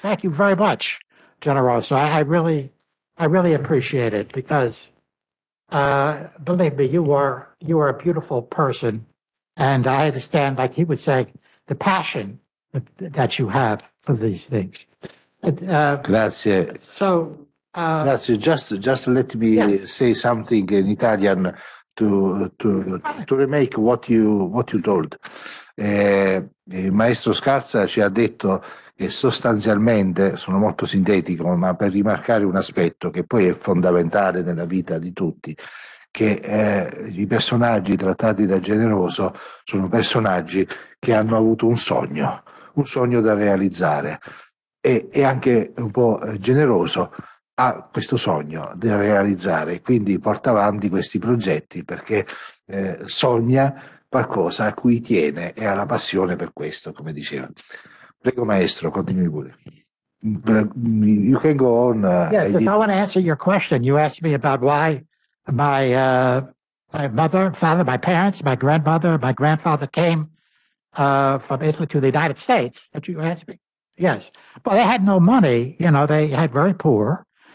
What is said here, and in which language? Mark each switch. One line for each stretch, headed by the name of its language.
English: Thank you very much, Generoso. I really appreciate it because believe me, you are a beautiful person, and I understand, like he would say, the passion that you have for these things.
Italian: Grazie.
English: So
Italian: Grazie.
English: Just let me say something in Italian to remake what you told.
Italian: Il maestro Scarza ci ha detto che sostanzialmente, sono molto sintetico, ma per rimarcare un aspetto che poi è fondamentale nella vita di tutti, che i personaggi trattati da Generoso sono personaggi che hanno avuto un sogno da realizzare. E anche un po' generoso, ha ha questo sogno di realizzare, quindi porta avanti questi progetti perché sogna qualcosa a cui tiene e ha la passione per questo, come diceva. Prego maestro, continui pure.
English: You can go on. Yes, if I want to answer your question, you asked me about why my my mother, father, my parents, my grandmother, my grandfather came from Italy to the United States. That you asked me. Yes, well, they had no money. You know, they had very poor.